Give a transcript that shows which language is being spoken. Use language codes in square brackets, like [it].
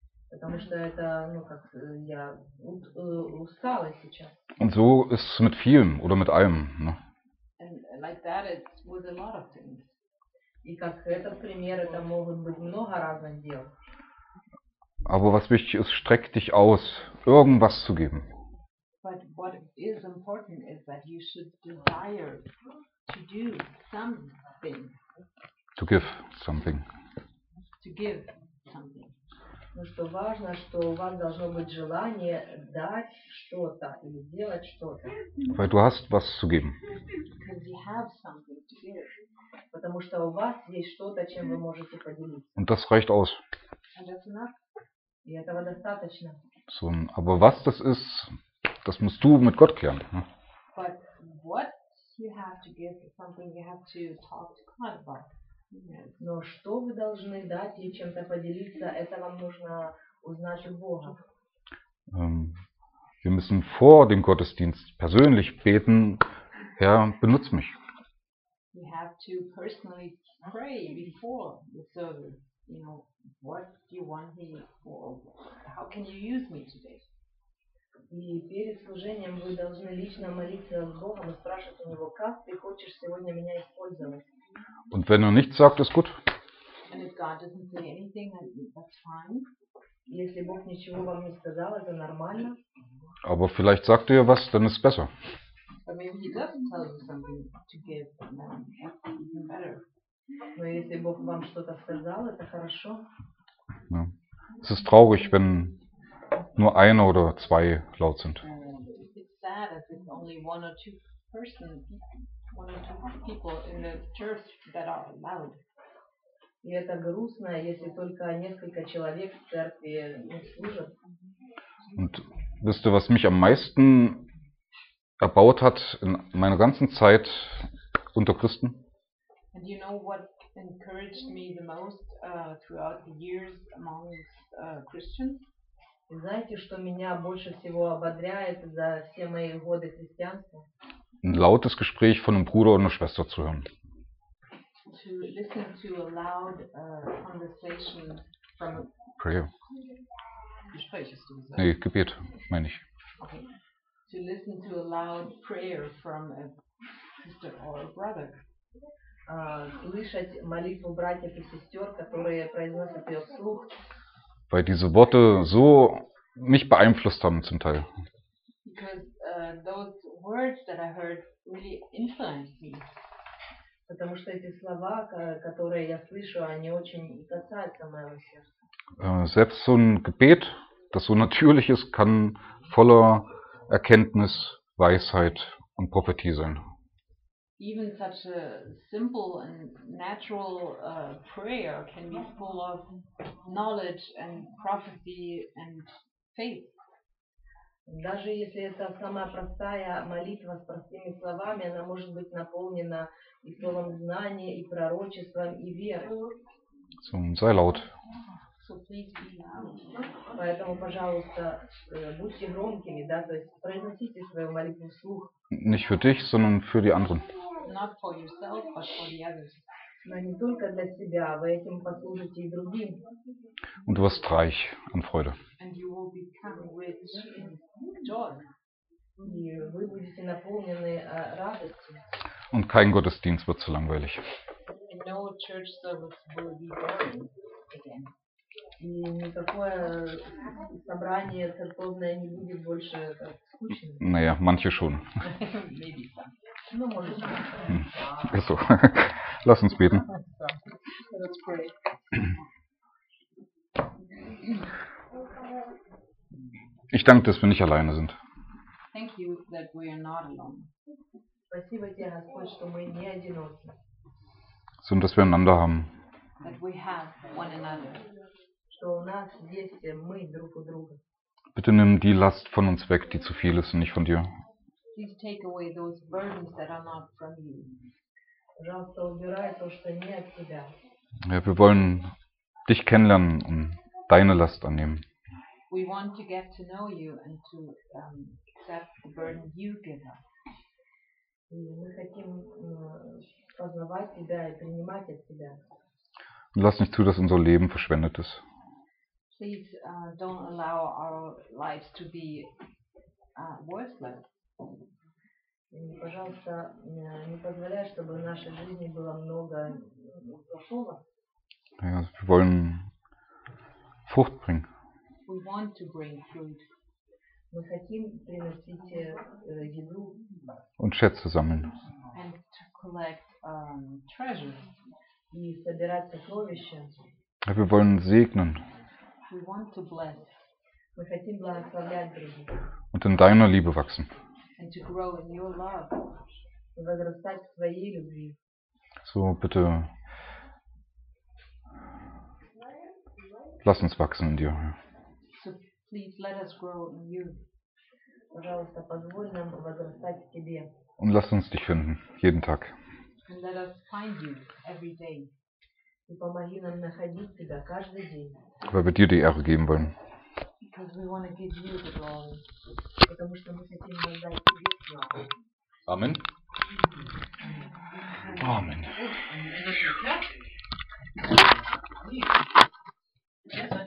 [ru] Потому что это, ну как, я устала сейчас. [de] Und so ist es mit vielen oder mit allem, ne? [en] And like that, it's with a lot of things. [ru] И как этот пример, это могут быть много разных дел. [de] Aber was wichtig ist, streck dich aus, irgendwas zu geben. [en] But what is important is that you should desire to do something. To give something. To give something. [ru] Но что важно, что у вас должно быть желание дать что-то или делать что-то. [de] Weil du hast was zu geben. [en] Because you have something to give. [ru] Потому что у вас есть что-то, чем вы можете поделиться. [de] Und das reicht aus. [en] And that's enough. [ru] И этого достаточно. [de] So, aber was das ist, das musst du mit Gott klären. [en] But what you have to give is something you have to talk to God about. [ru] Но что вы должны дать и чем-то поделиться, это вам нужно узнать у Бога. [de] Wir müssen vor dem Gottesdienst persönlich beten, Herr, benutz mich. [en] We have to personally pray before the service. You know, what do you want me for? How can you use me today? [ru] И перед служением вы должны лично молиться с Богом и спрашивать у Него, как ты хочешь сегодня меня использовать. [de] Und wenn er nichts sagt, ist gut. [en] And if God doesn't say anything, that's fine. [ru] Если Бог ничего вам не сказал, это нормально. [de] Aber vielleicht sagt er was, dann ist es besser. [en] But maybe he doesn't tell you something to give, and then it's even better. [ru] Но если Бог вам что-то сказал, это хорошо. [de] Ja. Es ist traurig, wenn nur einer oder zwei laut sind. [en] It's sad if it's only one or two persons. One or two people in the church that are loud. [ru] И это грустно, если только несколько человек в церкви не служат. [de] Und wisst ihr, was mich am meisten erbaut hat in meiner ganzen Zeit unter Christen? [en] And you know what encouraged me the most throughout the years among Christians? [ru] И знаете, что меня больше всего ободряет за все мои годы христианства? [de] Ein lautes Gespräch von einem Bruder oder einer Schwester zu hören. [en] To listen to a loud conversation from a prayer. [de] Gespräch, hast du gesagt? Nee, Gebet, meine ich. [en] Okay. To listen to a loud prayer from a sister or a brother. [ru] Слышать молитву братьев и сестер, которые произносят ее вслух. [de] Weil diese Worte so mich beeinflusst haben zum Teil. [en] Because those words that I heard really influenced me. [ru] Потому что эти слова, которые я слышу, они очень касаются моего сердца. [de] Selbst so ein Gebet, das so natürlich ist, kann voller Erkenntnis, Weisheit und Prophetie sein. [en] Even such a simple and natural prayer can be full of knowledge and prophecy and faith. [ru] Даже если это самая простая молитва с простыми словами, она может быть наполнена и словом знания, и пророчеством, и верой. [de] So, sei laut. [en] So, please be loud. [ru] Поэтому, пожалуйста, будьте громкими, да, то есть произносите свою молитву вслух. [de] Nicht für dich, sondern für die anderen. [en] Not for yourself, but for the others. [ru] Но не только для себя, вы этим послужите и другим. [de] Und du wirst reich an Freude. [en] And you will become rich in joy. [ru] И вы будете наполнены радостью. [de] Und kein Gottesdienst wird zu langweilig. [en] And no church service will be boring again. [ru] И никакое собрание церковное не будет больше скучным. [de] Naja, manche schon. [en] Maybe some. [ru] Ну, может быть. [de] Achso. Lass uns beten. Ich danke, dass wir nicht alleine sind. [en] Thank you that we are not alone. [ru] Спасибо тебе, Господь, что мы не одиноки. [de] Sondern dass wir einander haben. [en] That we have one another. [ru] Что у нас есть мы друг у друга. [de] Bitte nimm die Last von uns weg, die zu viel ist und nicht von dir. [en] Please take away those burdens that are not from you. [ru] Пожалуйста, убирай то, что не от тебя. [de] Ja, wir wollen dich kennenlernen und deine Last annehmen. [en] We want to get to know you and to accept the burden you give us. [ru] Мы хотим познавать тебя и принимать от тебя. [de] Und lass nicht zu, dass unser Leben verschwendet ist. [en] Please don't allow our lives to be worthless. [ru] И, пожалуйста, не позволяй, чтобы в нашей жизни было много плохого. [de] Ja, wir wollen Frucht bringen. [en] We want to bring fruit. [ru] Мы хотим приносить еду. [de] Und Schätze sammeln. [en] And to collect treasures. [ru] И собирать сокровища. [de] Ja, wir wollen segnen. [en] We want to bless. [ru] Мы хотим благословлять других. [de] Und in deiner Liebe wachsen. [en] And to grow in your love. [ru] И возрастать в своей любви. [de] So, bitte. Lass uns wachsen in dir. [en] So, please let us grow in you. [ru] Пожалуйста, позволь нам возрастать в тебе. [de] Und lass uns dich finden, jeden Tag. [en] And let us find you every day. [ru] И помоги нам находить тебя каждый день. [de] Weil wir dir die Ehre geben wollen. [en] Because we want to give you the glory. [ru] Потому что мы хотим воздать тебе славу.